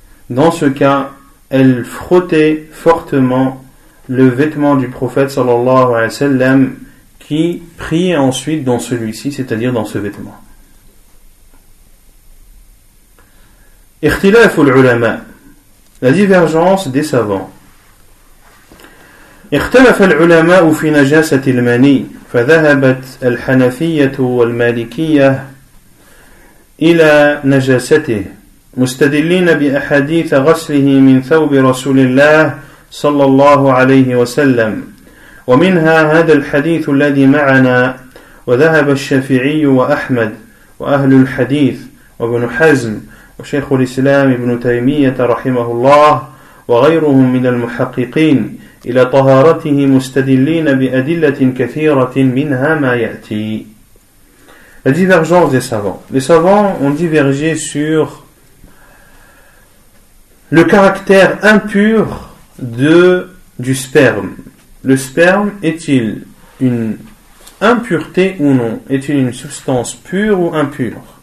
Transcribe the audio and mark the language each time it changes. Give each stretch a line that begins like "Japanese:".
French: Dans ce cas, elle frottait fortement le vêtement du prophète sallallahu alayhi wa sallam, qui priait ensuite dans celui-ci, c'est-à-dire dans ce vêtement.
Arabic: اختلاف العلماء,
French: la divergence des savants.
Arabic: اختلف العلماء في نجاسة المني فذهبت الحنفية والمالكية إلى نجاسته مستدلين بأحاديث غسله من ثوب رسول الله صلى الله عليه وسلم ومنها هذا الحديث الذي معنا وذهب الشافعي وأحمد وأهل الحديث وابن حزم وشيخ الإسلام ابن تيمية رحمه الله وغيرهم من المحققين إلى طهارته مستدلين بأدلة كثيرة منها ما يأتي.
French: La divergence des savants. Les savants ont divergé sur le caractère impur du sperme. Le sperme est-il une impureté ou non? Est-il une substance pure ou impure?